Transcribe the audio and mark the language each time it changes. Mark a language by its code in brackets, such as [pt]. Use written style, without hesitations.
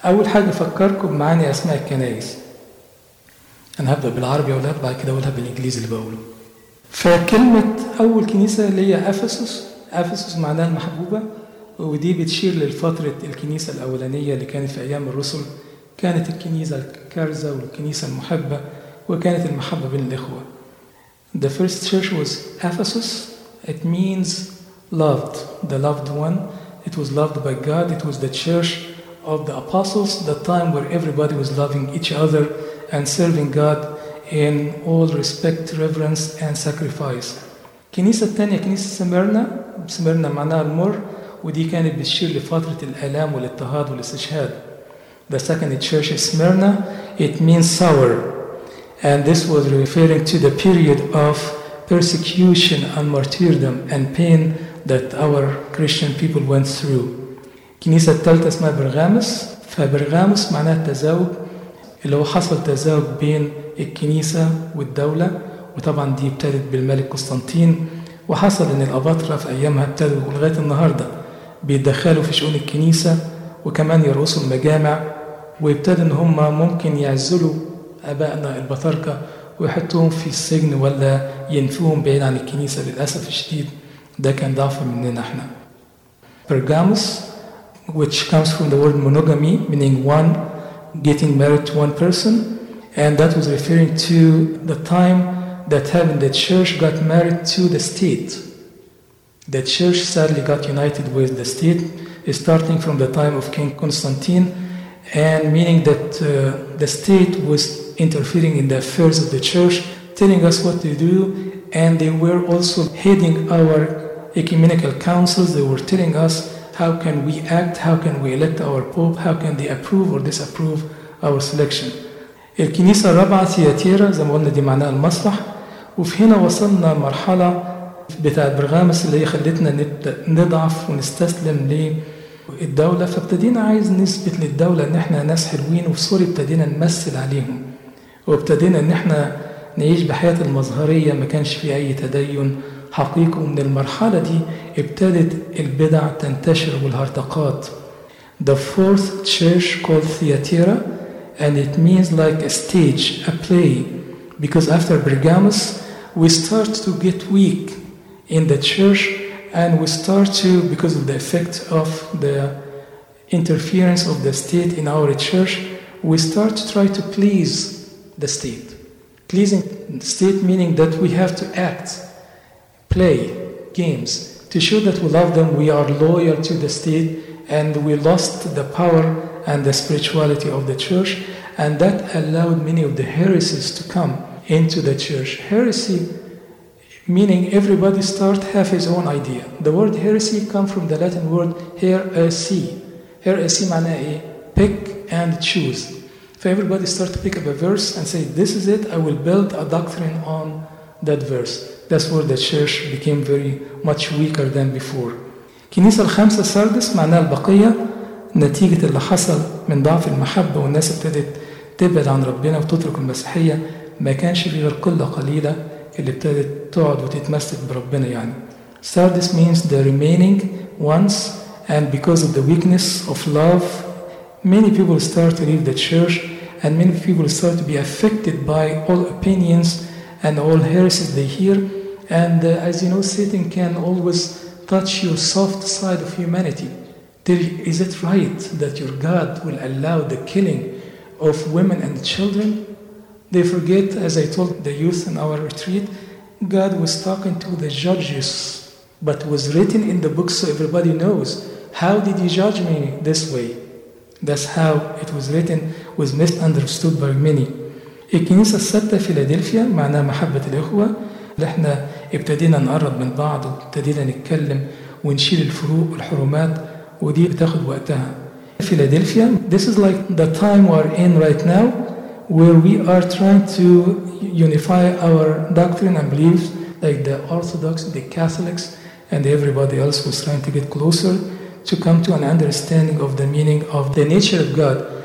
[ar] اول حاجه افكركم معاني اسماء الكنائس، انا هبدا بالعربي ولا بعد كده اقولها بالانجليزي اللي بقوله. فكلمه اول كنيسه اللي هي افسس، أفسس معناها المحبوبة، ودي بتشير للفترة الكنيسة الأولانية اللي كانت في أيام الرسل، كانت الكنيسة الكارزة والكنيسة المحبة، وكانت المحبة بين الإخوة. [en] The first church was Ephesus. It means loved, the loved one. It was loved by God. It was the church of the apostles, the time where everybody was loving each other and serving God in all respect, reverence and sacrifice. [ar] الكنيسة الثانية كنيسة سمرنا، سمرنا معناها المر، ودي كانت بتشير لفترة الآلام والاضطهاد والاستشهاد. [en] The second church is Smyrna. It means sour. And this was referring to the period of persecution and martyrdom and pain that our Christian people went through. [ar] الكنيسة الثالثة اسمها برغامس، فبرغامس معناها التزاوج، اللي هو حصل تزاوج بين الكنيسة والدولة، وطبعا دي ابتدت بالملك قسطنطين، وحصل ان الاباطره في ايامها ابتدوا لغايه النهارده بيتدخلوا في شؤون الكنيسه، وكمان يرقصوا المجامع، وابتدوا ان هم ممكن يعزلوا ابائنا البطاركه ويحطوهم في السجن ولا ينفوهم بعيد عن الكنيسه. للاسف الشديد ده كان ضعف مننا احنا. [en] Pergamos which comes from the word monogamy meaning one getting married to one person, and that was referring to the time that having the church got married to the state. The church sadly got united with the state starting from the time of King Constantine, and meaning that the state was interfering in the affairs of the church, telling us what to do, and they were also heading our ecumenical councils. They were telling us how can we act, how can we elect our pope, how can they approve or disapprove our selection. [ar] الكنيسة الرابعة تياتيرا، زي ما قلنا دي معناها المسرح. وفي هنا وصلنا مرحلة بتاع برغامس اللي هي خلتنا نضعف ونستسلم للدولة، فابتدينا عايز نثبت للدولة ان احنا ناس حلوين وفي صورة، ابتدينا نمثل عليهم، وابتدينا ان احنا نعيش بحياة المظهرية، ما كانش في اي تدين حقيقي. ومن المرحلة دي ابتدت البدع تنتشر والهرطقات. [en] The fourth church called Theatira, and it means like a stage, a play. Because after Pergamus, we start to get weak in the church, and we start to, because of the effect of the interference of the state in our church, we start to try to please the state. Pleasing the state meaning that we have to act, play games, to show that we love them, we are loyal to the state, and we lost the power and the spirituality of the church, and that allowed many of the heresies to come into the church. Heresy meaning everybody start have his own idea. The word heresy come from the Latin word heresy. Heresy mana pick and choose. If everybody start to pick up a verse and say, this is it, I will build a doctrine on that verse. That's where the church became very much weaker than before. [ar] كنيسة الخامسة سردس معناها البقية نتيجة اللي حصل من ضعف المحبة والناس ابتدت تبعد عن ربنا وتترك المسيحية ما كانش في غير قلة قليلة اللي ابتدت تقعد وتتمسك بربنا يعني. [en] Sardis means the remaining ones, and because of the weakness of love, many people start to leave the church, and many people start to be affected by all opinions and all heresies they hear. And as you know, Satan can always touch your soft side of humanity. Is it right that your God will allow the killing of women and children? They forget, as I told the youth in our retreat, God was talking to the judges, but was written in the book so everybody knows, how did you judge me this way? That's how it was written, was misunderstood by many. [ar] الكنيسة السادسة فيلادلفيا معناها محبة الإخوة. احنا ابتدينا نقرب من بعض وابتدينا نتكلم ونشيل الفروق والحرمات ودي بتاخد وقتها. [en] Philadelphia, this is like the time we are in right now, where we are trying to unify our doctrine and beliefs, like the Orthodox, the Catholics, and everybody else who's trying to get closer to come to an understanding of the meaning of the nature of God.